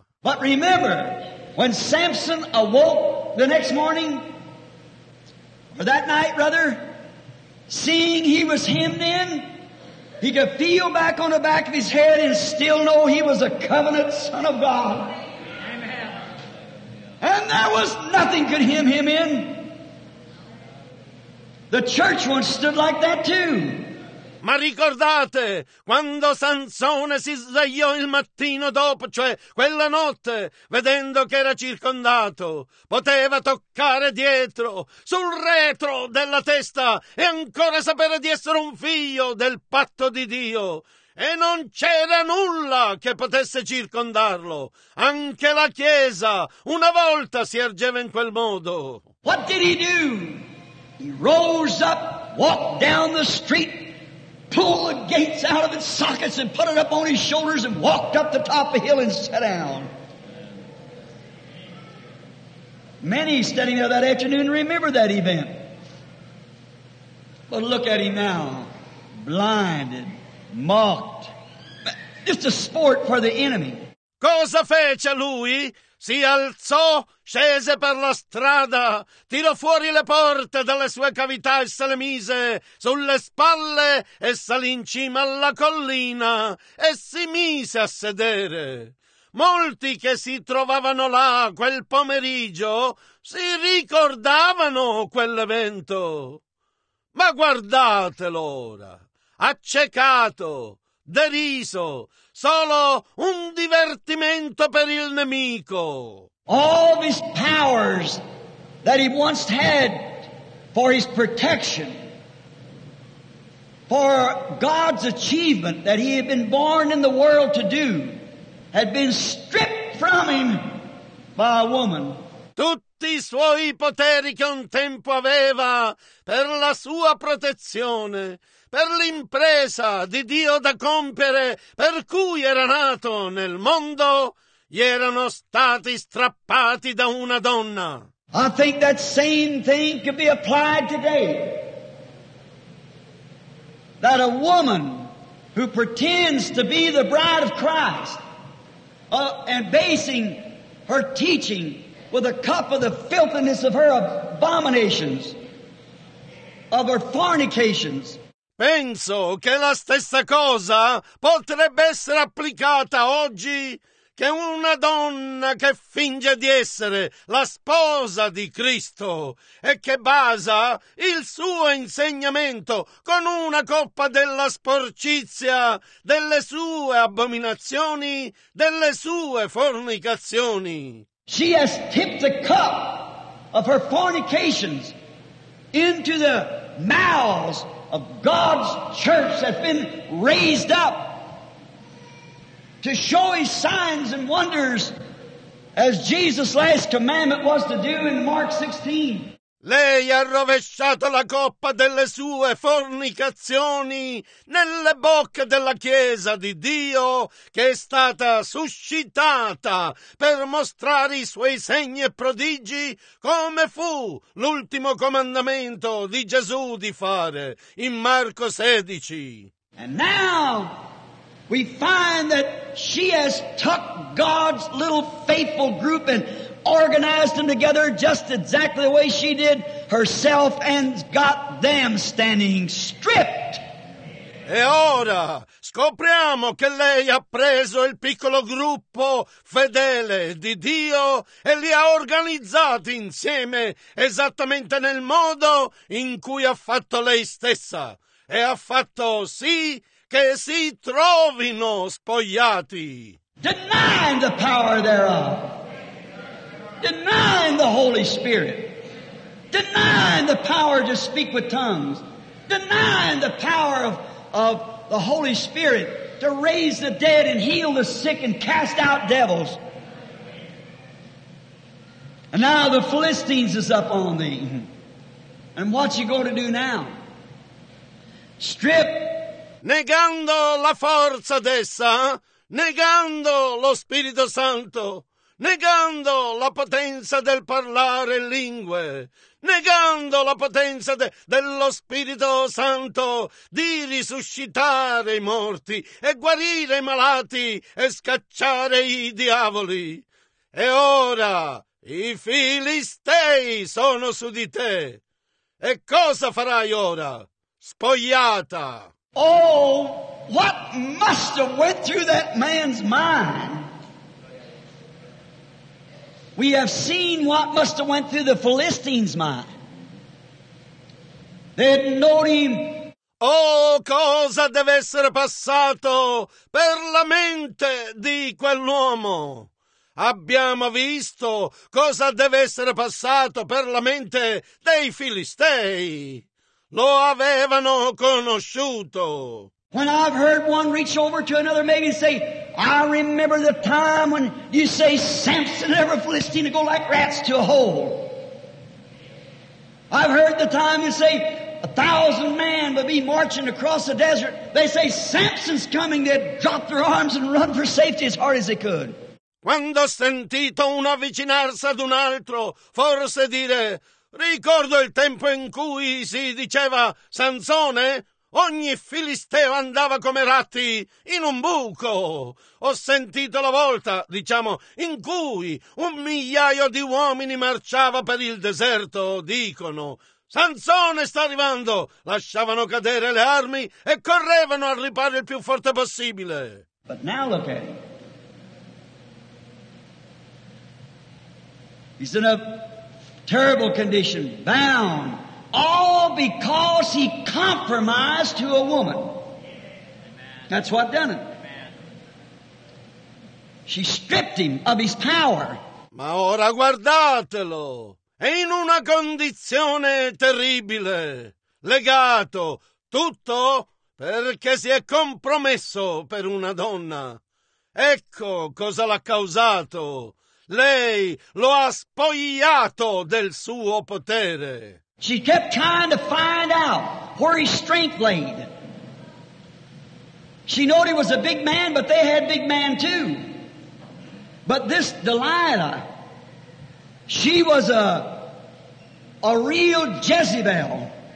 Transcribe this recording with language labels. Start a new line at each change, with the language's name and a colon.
English: But remember, when Samson awoke the next morning, or that night rather, seeing he was hemmed in, he could feel back on the back of his head and still know he was a covenant son of God. Amen. And there was nothing could hem him in. The church once stood like that too.
Italian: Ma ricordate, quando Sansone si svegliò il mattino dopo, cioè quella notte, vedendo che era circondato, poteva toccare dietro, sul retro della testa, e ancora sapere di essere un figlio del patto di Dio. E non c'era nulla che potesse circondarlo. Anche la Chiesa una volta si ergeva in quel modo.
English: What did he do? He rose up, walked down the street, pulled the gates out of its sockets and put it up on his shoulders and walked up the top of the hill and sat down. Many standing there that afternoon remember that event. But look at him now, blinded, mocked, just a sport for the enemy.
Italian: Cosa fece lui? Si alzò, scese per la strada, tirò fuori le porte dalle sue cavità e se le mise sulle spalle e salì in cima alla collina e si mise a sedere. Molti che si trovavano là quel pomeriggio si ricordavano quell'evento. Ma guardatelo ora, accecato, deriso, solo un divertimento per il nemico.
English: All of his powers that he once had for his protection, for God's achievement that he had been born in the world to do, had been stripped from him by a woman.
Italian: Tutti i suoi poteri che un tempo aveva per la sua protezione, per l'impresa di Dio da compiere, per cui era nato nel mondo, gli erano stati strappati da una donna.
English: I think that same thing could be applied today. That a woman who pretends to be the bride of Christ, and basing her teaching with a cup of the filthiness of her abominations, of her fornications.
Italian: Penso che la stessa cosa potrebbe essere applicata oggi, che una donna che finge di essere la sposa di Cristo e che basa il suo insegnamento con una coppa della sporcizia, delle sue abominazioni, delle sue fornicazioni.
English: She has tipped the cup of her fornications into the mouths of God's church that's been raised up to show his signs and wonders as Jesus' last commandment was to do in Mark 16.
Italian: Lei ha rovesciato la coppa delle sue fornicazioni nelle bocche della Chiesa di Dio che è stata suscitata per mostrare i suoi segni e prodigi, come fu l'ultimo comandamento di Gesù di fare in Marco 16.
English: And now we find that she has tucked God's little faithful group and organized them together just exactly the way she did herself and got them standing stripped.
Italian: E ora scopriamo che lei ha preso il piccolo gruppo fedele di Dio e li ha organizzati insieme esattamente nel modo in cui ha fatto lei stessa e ha fatto sì che si trovino spogliati.
English: Denying the power thereof. Denying the Holy Spirit. Denying the power to speak with tongues. Denying the power of the Holy Spirit to raise the dead and heal the sick and cast out devils. And now the Philistines is up on thee. And what you going to do now? Strip.
Italian: Negando la forza d'essa, negando lo Spirito Santo, negando la potenza del parlare lingue, negando la potenza dello Spirito Santo di risuscitare i morti e guarire i malati e scacciare i diavoli. E ora i Filistei sono su di te. E cosa farai ora? Spogliata!
English: Oh, what must have went through that man's mind? We have seen what must have went through the Philistines' mind. They had known him.
Italian: Oh, cosa deve essere passato per la mente di quell'uomo? Abbiamo visto cosa deve essere passato per la mente dei Filistei. Lo avevano conosciuto.
English: When I've heard one reach over to another, maybe say, I remember the time when you say Samson every Philistine to go like rats to a hole. I've heard the time you say a thousand men would be marching across the desert. They say Samson's coming. They'd drop their arms and run for safety as hard as they could.
Italian: Quando ho sentito uno avvicinarsi ad un altro, forse dire, ricordo il tempo in cui si diceva Sansone, ogni filisteo andava come ratti in un buco. Ho sentito la volta, diciamo, in cui un migliaio di uomini marciava per il deserto, dicono, Sansone sta arrivando, lasciavano cadere le armi e correvano a riparo il più forte possibile.
English: But now look at it. He's in a terrible condition, bound, all because he compromised to a woman. Amen. That's what done it. She stripped him of his power.
Italian: Ma ora guardatelo, è in una condizione terribile, legato, tutto perché si è compromesso per una donna. Ecco cosa l'ha causato. Lei lo ha spogliato del suo potere.
English: She kept trying to find out where his strength laid. She knew he was a big man, but they had big man too. But this Delilah, she was a real Jezebel.